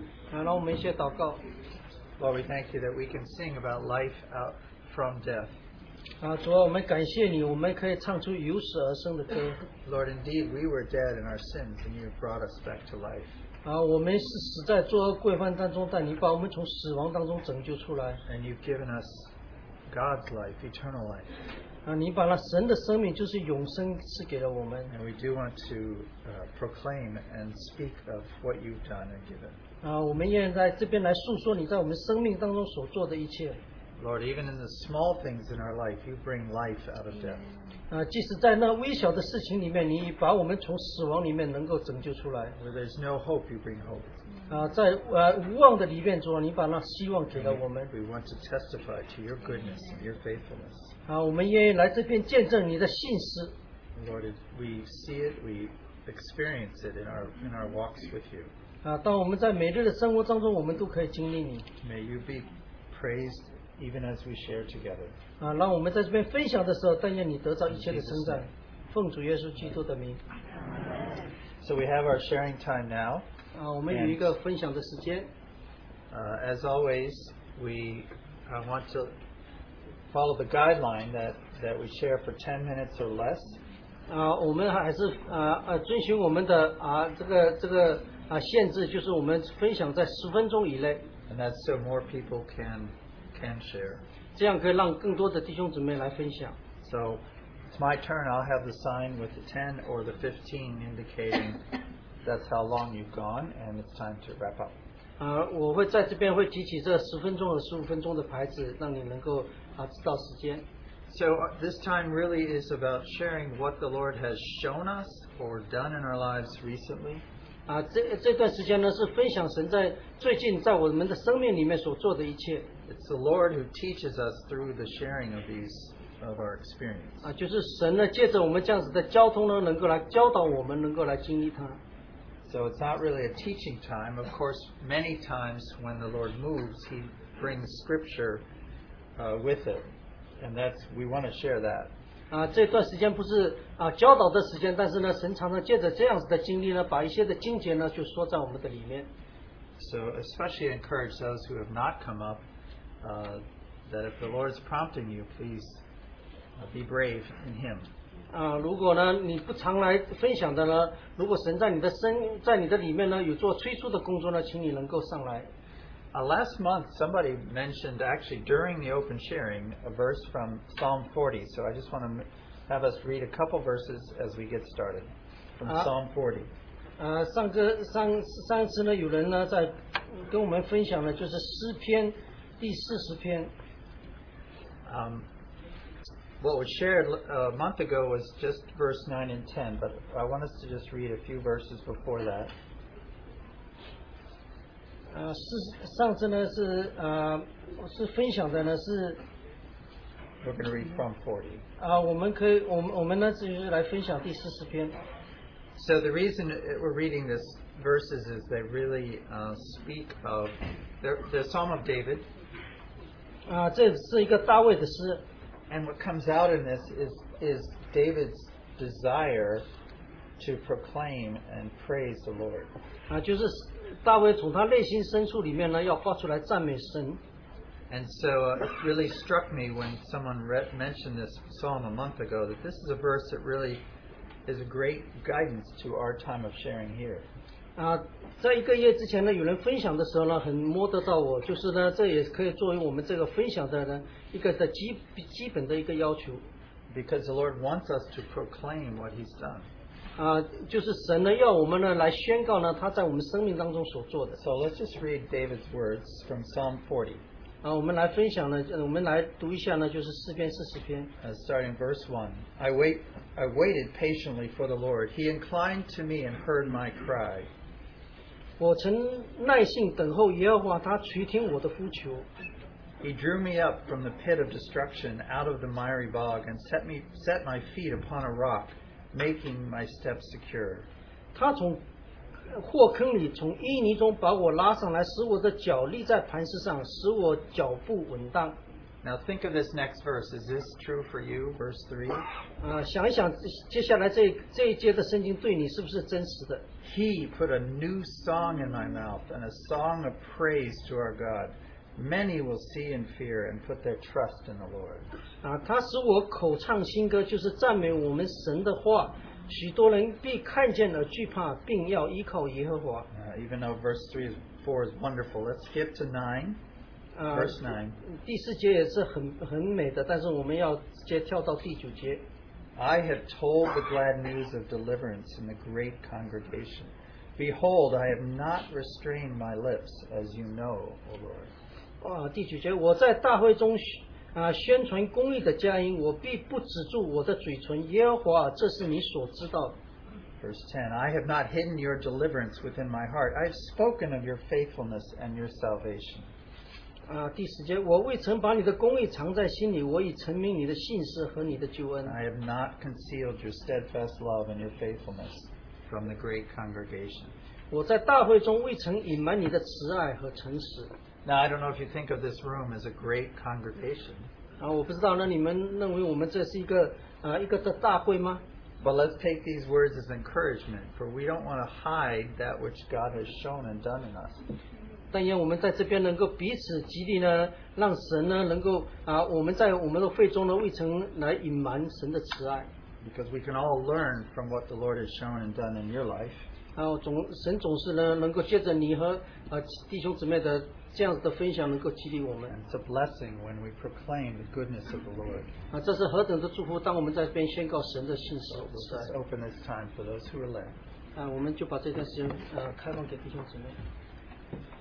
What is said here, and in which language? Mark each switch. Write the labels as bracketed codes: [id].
[en] Lord, we thank you that we can sing about life out from death. [zh] 主啊，我们感谢你，我们可以唱出由死而生的歌。 [en] Lord, indeed, we were dead in our sins, and you brought us back to life. [zh] 我们是死在罪恶过犯当中，但你把我们从死亡当中拯救出来。 [en] And you've given us God's life, eternal life. [zh] 你把那神的生命，就是永生，赐给了我们。 [en] And we do want to proclaim and speak of what you've done and given. [zh] 我们愿意在这边来诉说你在我们生命当中所做的一切。 [en] Lord, even in the small things in our life, you bring life out of death. [zh] 即使在那微小的事情里面，你把我们从死亡里面能够拯救出来。 [en] Where there's no hope, you bring hope. [zh] 在无望的里面，主啊，你把那希望给了我们。 [en] We want to testify to your goodness and your faithfulness. [zh] 我们愿意来这边见证你的信实。 [en] Lord, we see it, we experience it in our walks with you. [zh] 当我们在每日的生活当中，我们都可以经历你。 [en] May you be praised even as we share together. [zh] 让我们在这边分享的时候，但愿你得到一切的称赞。奉主耶稣基督的名。 [en] So we have our sharing time now. [zh] 我们有一个分享的时间。 [en] As always, we want to follow the guideline that we share for 10 minutes or less. [zh] 我们还是遵循我们的这个。限制就是我们分享在十分钟以内。 [en] And that's so more people can share. [zh] 这样可以让更多的弟兄姊妹来分享。 [en] So it's my turn. I'll have the sign with the 10 or the 15 indicating that's how long you've gone and it's time to wrap up. [zh] 我会在这边会提起这十分钟和十五分钟的牌子，让你能够知道时间。 [en] So this time really is about sharing what the Lord has shown us or done in our lives recently. [zh] 这段时间呢是分享神在最近在我们的生命里面所做的一切。 [en] It's the Lord who teaches us through the sharing of these of our experience. [zh] 啊，就是神呢，借着我们这样子的交通呢，能够来教导我们，能够来经历它。 [en] So it's not really a teaching time. Of course, many times when the Lord moves, He brings Scripture with it, and that's we want to share that. [zh] 啊，这段时间不是啊教导的时间，但是呢，神常常借着这样子的经历呢，把一些的经节呢，就说在我们的里面。 [en] So especially encourage those who have not come up, that if the Lord is prompting you, please be brave in Him. [zh] 啊，如果呢你不常来分享的呢，如果神在你的身在你的里面呢有做催促的工作呢，请你能够上来。 [en] Last month, somebody mentioned actually during the open sharing a verse from Psalm 40. So I just want to have us read a couple verses as we get started from Psalm 40. [zh] 上次呢，有人呢在跟我们分享的就是诗篇第四十篇。 [en] What was shared a month ago was just verse 9 and 10, but I want us to just read a few verses before that. [zh] 上次呢是分享的呢是 [en] We're going to read from 40. [zh] 我们呢就是来分享第四十篇。 [en] So the reason we're reading these verses is they really speak of the Psalm of David. [zh] 这是一个大卫的诗。 [en] And what comes out in this is David's desire to proclaim and praise the Lord. [zh] 就是大卫从他内心深处里面呢，要发出来赞美神。 [en] And so it really struck me when someone mentioned this psalm a month ago that this is a verse that really is a great guidance to our time of sharing here. [zh] 在一个月之前呢，有人分享的时候呢，很摸得到我，就是呢，这也可以作为我们这个分享的呢一个的基本的一个要求。 [en] Because the Lord wants us to proclaim what He's done. [zh] 就是神呢要我们呢来宣告呢他在我们生命当中所做的。 [en] So let's just read David's words from Psalm 40. [zh] 我们来分享呢，我们来读一下呢，就是诗篇四十篇。 [en] Starting verse 1. I waited patiently for the Lord. He inclined to me and heard my cry. [zh] 我曾耐性等候耶和华，他垂听我的呼求。 [en] He drew me up from the pit of destruction, out of the miry bog, and set my feet upon a rock. Making my steps secure. [zh] 他从祸坑里从淤泥中把我拉上来使我的脚立在磐石上使我脚步稳当。 [en] Now think of this next verse. Is this true for you? Verse 3? [zh] 想一想接下来这一节的圣经对你是不是真实的。 [en] He put a new song in my mouth and a song of praise to our God. Many will see and fear and put their trust in the Lord. [zh] 他使我口唱新歌，就是赞美我们神的话。许多人必看见了惧怕，并要依靠耶和华。 [en] Even though verse 3 is 4 is wonderful, let's skip to 9. Verse 9. [zh] 第四节也是很美的，但是我们要直接跳到第九节。 [en] I have told the glad news of deliverance in the great congregation. Behold, I have not restrained my lips, as you know, O Lord. [zh] 第九节，我在大会中宣传公义的佳音，我必不止住我的嘴唇。耶和华，这是你所知道的。 [en] Verse 10, I have not hidden your deliverance within my heart. I have spoken of your faithfulness and your salvation. [zh] 第十节，我未曾把你的公义藏在心里，我已陈明你的信实和你的救恩。 [en] I have not concealed your steadfast love and your faithfulness from the great congregation. [zh] 我在大会中未曾隐瞒你的慈爱和诚实。 [en] Now, I don't know if you think of this room as a great congregation. [zh] 我不知道呢，你们认为我们这是一个的大会吗？ [en] But let's take these words as encouragement, for we don't want to hide that which God has shown and done in us. [zh] 但愿我们在这边能够彼此激励呢，让神呢能够我们在我们的会中呢未曾来隐瞒神的慈爱。 [en] Because we can all learn from what the Lord has shown and done in your life. [zh] 神总是呢能够借着你和弟兄姊妹的这样的分享能够激励我们。 [en] It's a blessing when we proclaim the goodness of the Lord. [zh] 这是何等的祝福！当我们在这边宣告神的信实。 [en] So let's just open this time for those who are left. [zh] 我们就把这段时间开放给弟兄姊妹。